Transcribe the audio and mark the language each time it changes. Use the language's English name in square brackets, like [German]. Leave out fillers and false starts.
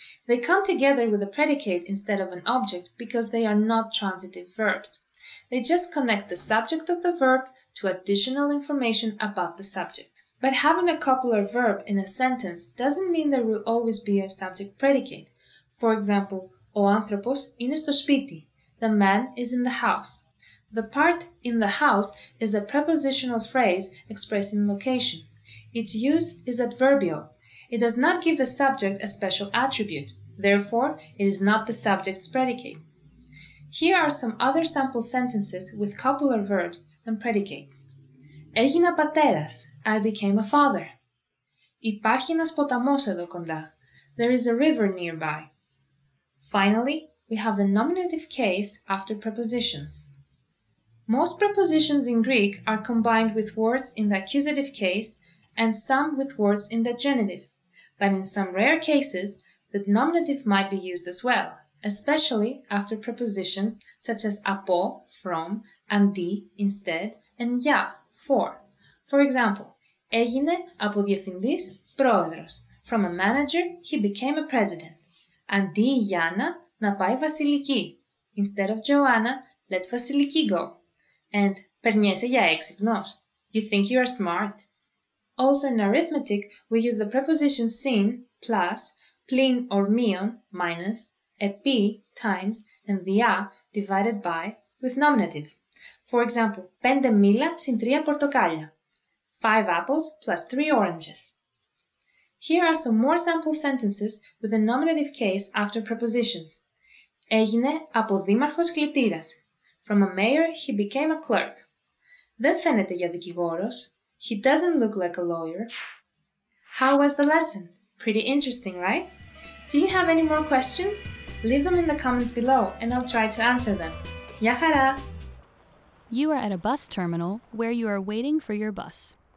[English] They come together with a predicate instead of an object because they are not transitive verbs. They just connect the subject of the verb to additional information about the subject. But having a copular verb in a sentence doesn't mean there will always be a subject predicate. For example, [Greek] ο άνθρωπος είναι στο σπίτι. [English] The man is in the house. The part in the house is a prepositional phrase expressing location. Its use is adverbial. It does not give the subject a special attribute, therefore, it is not the subject's predicate. Here are some other sample sentences with copular verbs and predicates. [Greek] Έγινα πατέρας. [English] I became a father. [Greek] Υπάρχει ένας ποταμός εδώ κοντά. [English] There is a river nearby. Finally, we have the nominative case after prepositions. Most prepositions in Greek are combined with words in the accusative case and some with words in the genitive. But in some rare cases, the nominative might be used as well, especially after prepositions such as apo, from, and di, instead, and ya, for. For example, [Greek] έγινε από διευθυντής πρόεδρος. [English] From a manager, he became a president. [Greek] Αντί η Γιάννα να πάει βασιλική. [English] Instead of Joanna, let βασιλική go. And [Greek] περνιέσαι για έξυπνος. [English] You think you are smart? Also in arithmetic, we use the preposition syn plus, πλην or μείον minus, επί times, and διά divided by with nominative. For example, [Greek] πέντε μήλα συν τρία πορτοκάλια. [English] 5 apples plus 3 oranges. Here are some more sample sentences with the nominative case after prepositions. [Greek] Έγινε από δήμαρχος κλητήρας. [English] From a mayor, he became a clerk. [Greek] Δεν φαίνεται για δικηγόρος. [English] He doesn't look like a lawyer. How was the lesson? Pretty interesting, right? Do you have any more questions? Leave them in the comments below and I'll try to answer them. [Greek] Γεια χαρά! [English] You are at a bus terminal where you are waiting for your bus.